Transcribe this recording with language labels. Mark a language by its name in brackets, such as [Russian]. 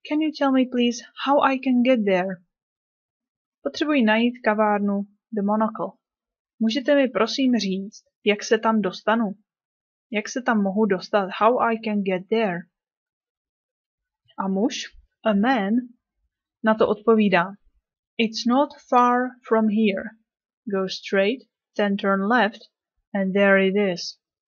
[English] Can you tell me please how I can get there? [Czech] Potřebuji najít kavárnu The Monocle. Můžete mi prosím říct, jak se tam dostanu? Jak se tam mohu dostat? [English] How I can get there? [Czech] A muž, [English] a man, [Czech] na to odpovídá. [English] It's not far from here. Go straight, then turn left, and there it is.